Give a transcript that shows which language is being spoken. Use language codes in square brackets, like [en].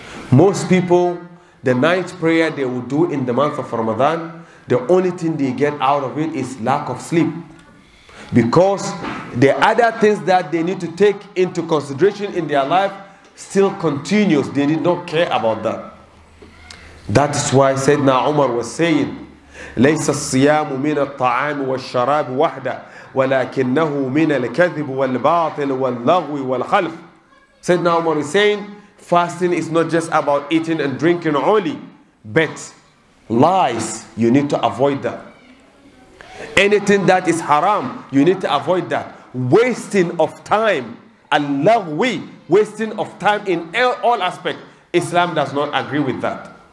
[en] Most people, the night prayer they will do in the month of Ramadan, the only thing they get out of it is lack of sleep. Because the other things that they need to take into consideration in their life still continues. They did not care about that. That is why Sayyidina Umar was saying, [ar] ليس الصيام من الطعام والشراب وحده ولكنه من الكذب والباطل واللغو والخلف. [en] Sayyidina Umar is saying, fasting is not just about eating and drinking only, but lies, you need to avoid that. Anything that is haram, you need to avoid that. Wasting of time, al-laghwi, wasting of time in all aspects, Islam does not agree with that.